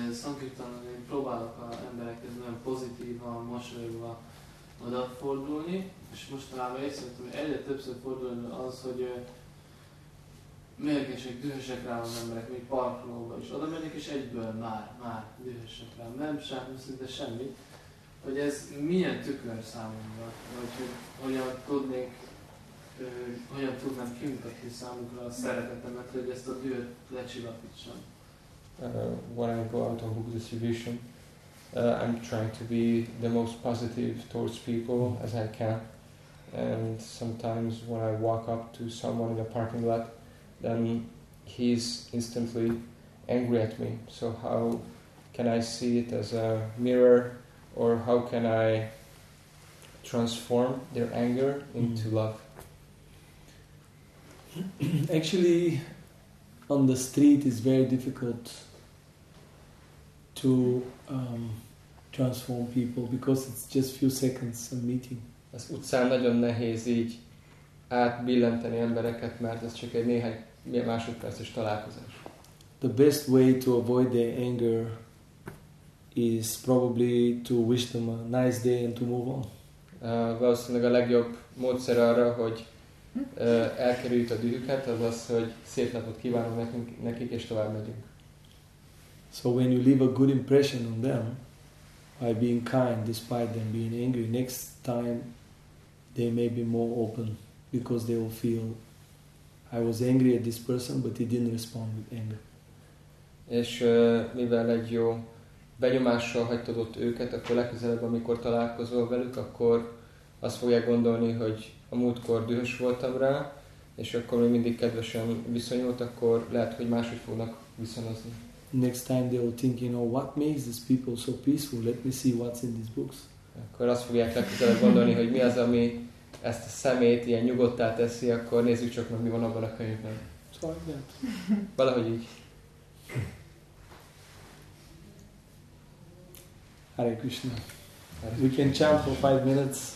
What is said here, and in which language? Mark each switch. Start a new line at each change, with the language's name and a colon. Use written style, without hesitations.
Hungarian: Sankirtan, én próbálok az emberekhez nagyon pozitívan, mosolyogva odafordulni, és mostanában észrevettem, hogy egyre többször fordulni az, hogy mérgesek, dühösek rá az emberek, még parkolóban is oda mennek, és egyből már dühösek rá, nem semmi, szinte semmi. Hogy ez milyen tükör számomra, vagy hogy hogyan tudnék, hogyan tudnám kimutatni számukra a szeretetemet, hogy ezt a dühöt lecsillapítsam.
English: When I go out on group distribution, I'm trying to be the most positive towards people as I can. And sometimes when I walk up to someone in a parking lot, then he's instantly angry at me. So how can I see it as a mirror, or how can I transform their anger into love? Actually, on the street it's very difficult to transform people because it's just few seconds a meeting.
Hungarian: Az utcán nagyon nehéz így átbillenteni embereket, mert ez csak egy néhány másodperces találkozás.
English: The best way to avoid their anger is probably to wish them a nice day and to move on.
Hungarian: Valószínűleg a legjobb módszer arra, hogy elkerüljük a dühüket, az az, hogy szép napot kívánunk nekik és tovább megyünk.
English: So when you leave a good impression on them by being kind despite them being angry, next time they may be more open because they will feel I was angry at this person but he didn't respond with anger.
Hungarian: És mivel egy jó benyomással hagytad ott őket, akkor legközelebb, amikor találkozol velük, akkor azt fogják gondolni, hogy a múltkor dühös voltam rá, és akkor még mindig kedvesen viszonyult, akkor lehet, hogy máshogy fognak viszonozni.
English: Next time they will think, you know, what makes these people so peaceful? Let me see what's in these books.
Hungarian: Akkor azt fogják legközelebb gondolni, hogy mi az, ami ezt a szemét ilyen nyugodtá teszi, akkor nézzük csak meg, mi van abban a könyvben.
English: Sorry, that.
Hungarian: Valahogy így.
English: Hare Krishna. We can chant for 5 minutes.